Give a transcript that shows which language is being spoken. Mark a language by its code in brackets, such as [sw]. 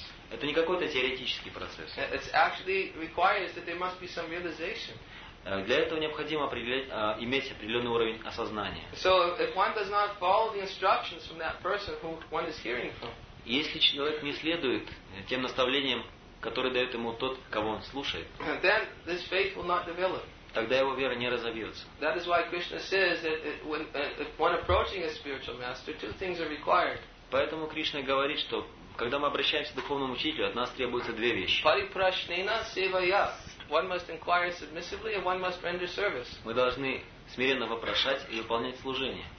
[ru] Это не какой-то теоретический процесс. Для этого необходимо иметь определенный уровень осознания. [en] So if one does not follow the instructions from that person who one is hearing from. [ru] Если человек не следует тем наставлениям, которые дает ему тот, кого он слушает. [en] Then this faith will not develop. [ru] Тогда его вера не разовьется. [en] That is why Krishna says that if one approaching a spiritual master, two things are required. [ru] Поэтому Кришна говорит, что когда мы обращаемся к духовному учителю, от нас требуются две вещи. [sa] Парипрашнена севая. [en] One must inquire submissively, and one must render service. [ru] Мы должны смиренно вопрошать и выполнять служение.